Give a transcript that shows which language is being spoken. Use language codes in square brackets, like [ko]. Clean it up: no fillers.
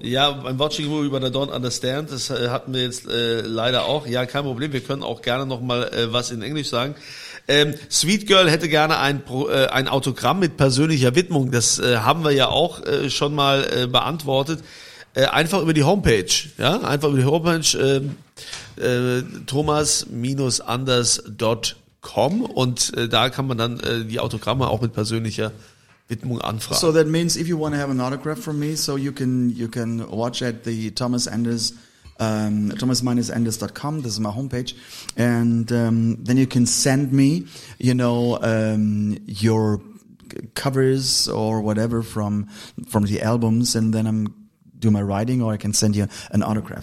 [en] Ja, I'm watching you, but I don't understand. [de] Das hatten wir jetzt leider auch. Ja, kein Problem. Wir können auch gerne nochmal was in Englisch sagen. Sweet Girl hätte gerne ein Autogramm mit persönlicher Widmung. Das haben wir ja auch schon mal beantwortet. Einfach über die Homepage, ja, einfach über die Homepage thomas-anders.com und da kann man dann die Autogramme auch mit persönlicher Widmung anfragen. [en] So that means if you want to have an autograph from me, so you can watch at the Thomas Anders thomas-anders.com. This is my homepage, and then you can send me, you know, your covers or whatever from the albums, and then I'm do my writing or I can send you an autograph.